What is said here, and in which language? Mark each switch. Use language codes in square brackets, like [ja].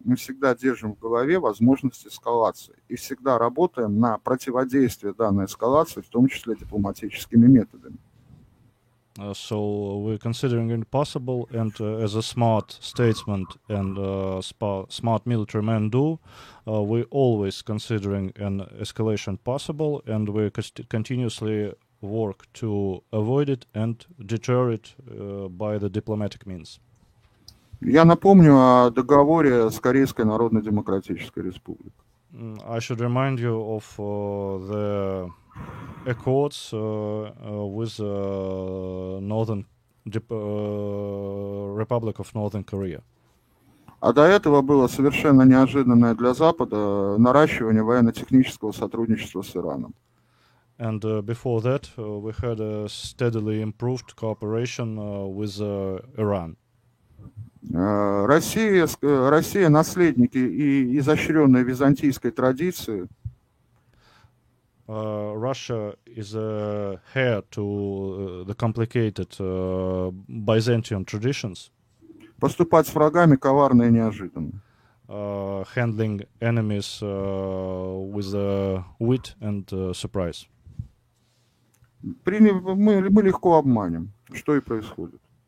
[ru] Мы всегда держим в голове возможность эскалации и всегда работаем на противодействие данной эскалации, в том числе дипломатическими методами. [en] So we're considering it possible, and as a smart statesman and smart military man do, we're always considering an escalation possible, and we continuously work to avoid it and deter it by the diplomatic means. [ru] Я напомню о договоре с Корейской Народно-Демократической Республикой. [en] I should remind you of the accords with Northern Republic of Northern Korea. [ru] А до этого было совершенно неожиданное для Запада наращивание военно-технического сотрудничества с Ираном. [en] And before that, we had a steadily improved cooperation with Iran. [ru] Россия — наследники и изощренной византийской традиции. [en] Russia is a heir to the complicated Byzantine traditions. [ru] Поступать с врагами коварно и неожиданно. [en] Handling enemies with wit and surprise. [ru] Мы легко обманем, что и происходит.